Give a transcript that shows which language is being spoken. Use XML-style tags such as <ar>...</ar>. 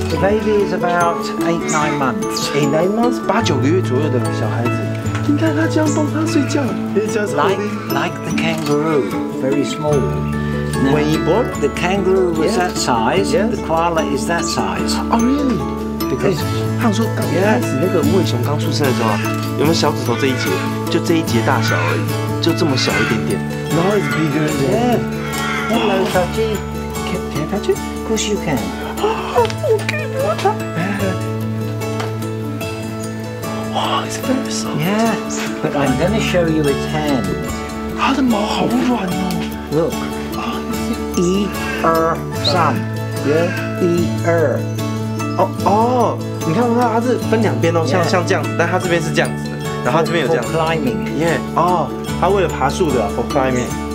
<en>The baby is about 8-9 months. 8-9 months,</en> <zh>八九个月左右的小孩子。你看他这样帮他睡觉。</zh> <en>Like the kangaroo, very small. Now, when he born, the kangaroo was that size. Yes. The koala is that size. Oh, really? Because</en> <zh>他说刚开始那个无尾熊刚出生的时候，有没有小指头这一节？就这一节大小而已，就这么小一点点。</zh> <en>Now it's bigger than.、 Yeah. Hello, Tachi. Can I touch it? Of course you can. Oh, it's very soft. Yeah, but I'm going to show you its hand. How the</en> <zh>毛好软哦</zh> <en>Look. E R sun. Yeah. E R.</en> <zh>哦哦，你看不到它是分两边哦，像这样子，但它这边是这样子的，然后这边有这样。</zh> <en>For climbing. Yeah.</en> <zh>哦，它为了爬树的 ，</zh> <en>for climbing.</en>